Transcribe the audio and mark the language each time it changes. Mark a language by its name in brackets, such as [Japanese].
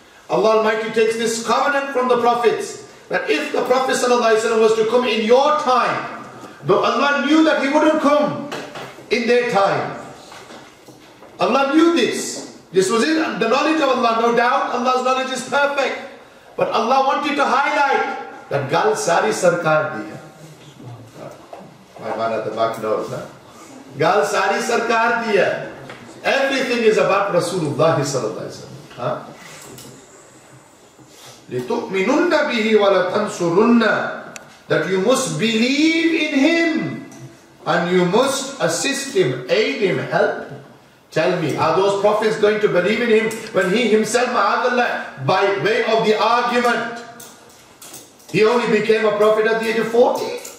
[English] Allah Almighty takes this covenant from the prophets. That if the Prophet sallallahu alaihi wasallam was to come in your time, though Allah knew that he wouldn't come in their time. Allah knew this. This was in the knowledge of Allah. No doubt Allah's knowledge is perfect. But Allah wanted to highlight that [Punjabi] ਗੱਲ ਸਾਰੀ ਸਰਕਾਰ ਦੀ ਹੈ. [English] My man at the back knows that. [Punjabi] ਗੱਲ ਸਾਰੀ ਸਰਕਾਰ ਦੀ ਹੈ. [English] Everything is about Rasulullah sallallahu alayhi wa sallam. [Arabic] Bihi wa la tansurunna. [English] That you must believe in him and you must assist him, aid him, help him. Tell me, are those prophets going to believe in him when he himself, ma'adallah, by way of the argument, he only became a prophet at the age of 40?